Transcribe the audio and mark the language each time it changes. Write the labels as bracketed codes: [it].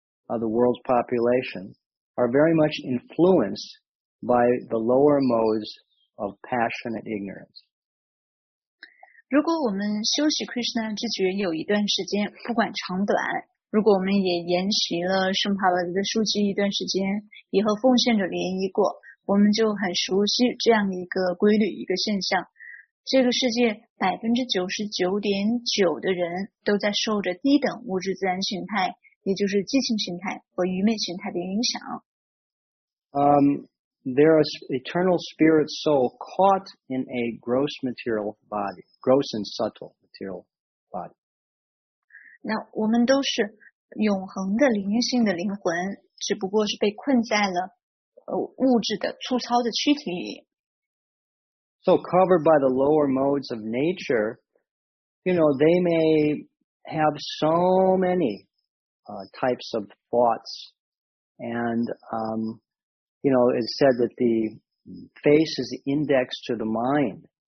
[en] of the world's population are very much influenced by the lower modes of passionate ignorance. [zh] 如果我们修习 Krishna 之觉有一段时间，不管长短，如果我们也研习了圣帕瓦迪的书籍一段时间，也和奉献者联谊过，我们就很熟悉这样一个规律，一个现象。这个世界 99.9% 的人都在受着低等物质自然形态，也就是激情形态和愚昧形态的影响。 [en] There is eternal spirit soul caught in a gross material body, gross and subtle material body. [zh] 那我们都是永恒的灵性的灵魂，只不过是被困在了物质的粗糙的躯体里。 [en] So covered by the lower modes of nature, you know, they may have so many types of thoughts. And, you know, it's said that the face is the index to the mind.